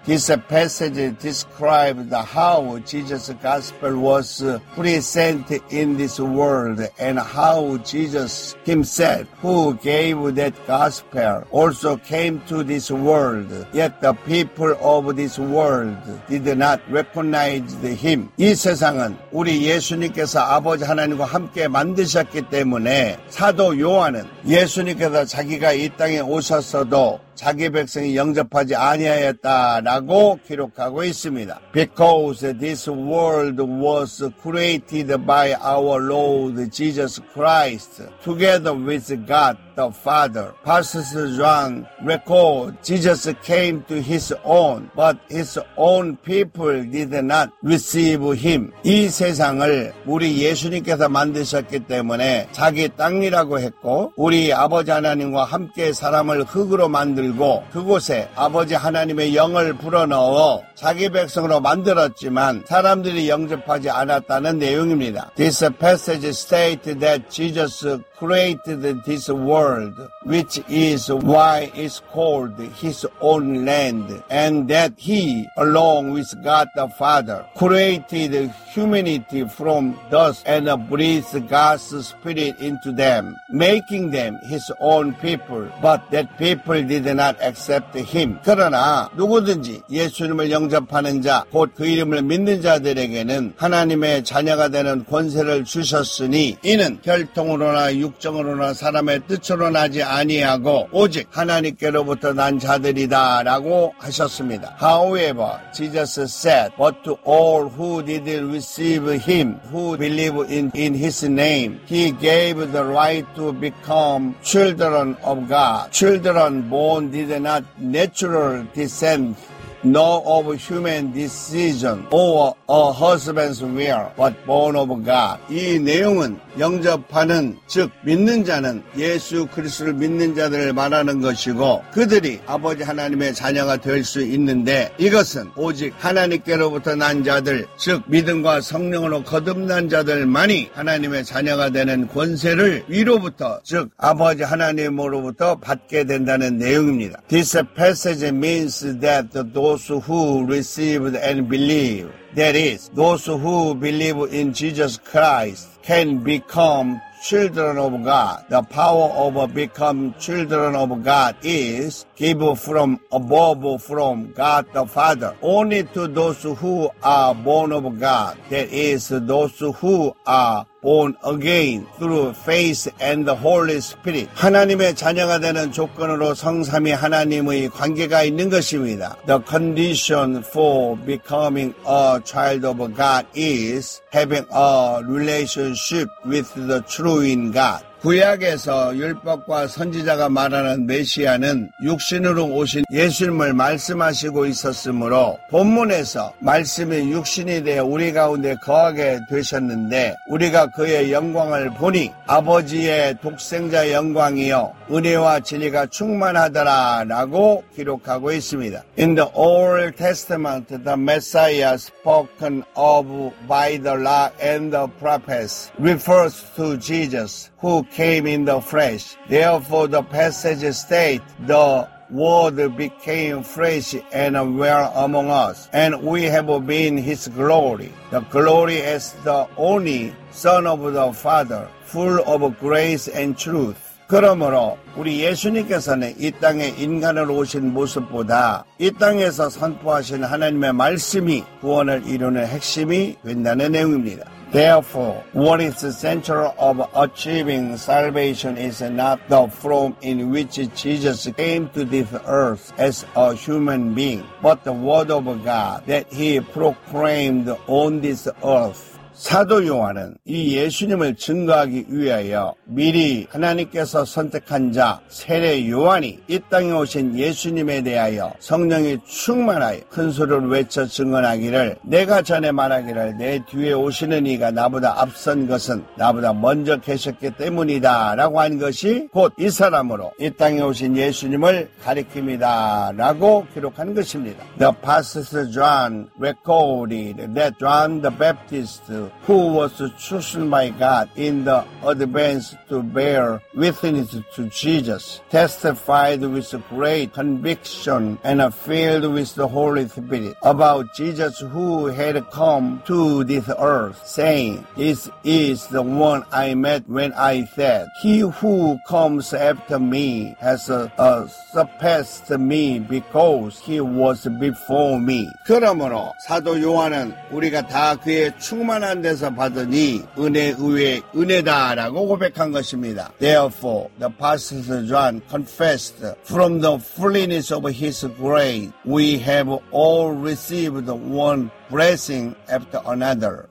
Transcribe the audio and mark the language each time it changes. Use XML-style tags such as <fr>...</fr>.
<en>This passage describes how Jesus' gospel was presented in this world and how Jesus himself who gave that gospel also came to this world. Yet the people of this world did not recognize him.</en> <ko>이 세상은 우리 예수님께서 아버지 하나님과 함께 만드셨기 때문에 사도 요한은 예수님께서 자기가 이 땅에 오셨어도 자기 백성이 영접하지 아니하였다라고 기록하고 있습니다.</ko> <en>Because this world was created by our Lord Jesus Christ together with God the Father. Apostle John records Jesus came to his own but his own people did not receive him.</en> <ko>이 세상을 우리 예수님께서 만드셨기 때문에 자기 땅이라고 했고 우리 아버지 하나님과 함께 사람을 흙으로 만들 그곳에 아버지 하나님의 영을 불어넣어 자기 백성으로 만들었지만 사람들이 영접하지 않았다는 내용입니다.</ko> <en>This passage states that Jesus created this world, which is why it's called his own land, and that he, along with God the Father, created humanity from dust and breathed God's spirit into them, making them his own people, but that people did not accept him.</en> <ko>그러나 누구든지 예수님을 영접하는 자, 곧 그 이름을 믿는 자들에게는 하나님의 자녀가 되는 권세를 주셨으니 이는 혈통으로나 육정으로나 사람의 뜻으로 나지 아니하고 오직 하나님께로부터 난 자들이다 라고 하셨습니다.</ko> <en>However, Jesus said, But to all who did receive him, who believe in his name, he gave the right to become children of God. Children born did not natural descent, nor of human decision or a husband's will, but born of God.</en> <ko>이 내용은 영접하는 즉 믿는 자는 예수 그리스도를 믿는 자들을 말하는 것이고 그들이 아버지 하나님의 자녀가 될 수 있는데 이것은 오직 하나님께로부터 난 자들 즉 믿음과 성령으로 거듭난 자들만이 하나님의 자녀가 되는 권세를 위로부터 즉 아버지 하나님으로부터 받게 된다는 내용입니다.</ko> <en>This passage means that those who received and believe, that is, those who believe in Jesus Christ can become children of God. The power of become children of God is given from above from God the Father. Only to those who are born of God, that is, those who are born again through faith and the Holy Spirit.</en> <ko>하나님의 자녀가 되는 조건으로 성삼위 하나님의 관계가 있는 것입니다.</ko> <en>The condition for becoming a child of God is having a relationship with the true in God.</en> <ko>구약에서 율법과 선지자가 말하는 메시아는 육신으로 오신 예수님을 말씀하시고 있었으므로 본문에서 말씀이 육신이 되어 우리 가운데 거하게 되셨는데 우리가 그의 영광을 보니 아버지의 독생자 영광이요 은혜와 진리가 충만하더라 라고 기록하고 있습니다.</ko> <en>In the Old Testament, the Messiah spoken of by the law and the prophets refers to Jesus who came in the flesh. Therefore, the passage states the word became flesh and dwelt among us, and we have been his glory. The glory as the only Son of the Father, full of grace and truth.</en> <ko>그러므로 우리 예수님께서는 이 땅에 인간을 오신 모습보다 이 땅에서 선포하신 하나님의 말씀이 구원을 이루는 핵심이 된다는 내용입니다.</ko> <en>Therefore, what is the center of achieving salvation is not the form in which Jesus came to this earth as a human being, but the word of God that he proclaimed on this earth.</en> <ko>사도 요한은 이 예수님을 증거하기 위하여 미리 하나님께서 선택한 자 세례 요한이 이 땅에 오신 예수님에 대하여 성령이 충만하여 큰 소리를 외쳐 증언하기를 내가 전에 말하기를 내 뒤에 오시는 이가 나보다 앞선 것은 나보다 먼저 계셨기 때문이다 라고 한 것이 곧 이 사람으로 이 땅에 오신 예수님을 가리킵니다 라고 기록한 것입니다.</ko> <en>The pastor John recorded that John the Baptist who was chosen by God in the advance to bear witness to Jesus, testified with great conviction and filled with the Holy Spirit about Jesus who had come to this earth, saying, This is the one I met when I said, He who comes after me has surpassed me because he was before me.</en> <ko>그러므로 사도 요한은 우리가 다 그의 충만한 에서 받은 이 은혜의 은혜다라고 고백한 것입니다.</ko> <en>Therefore, the apostle John confessed, from the fullness of his grace, we have all received one blessing after another.</en>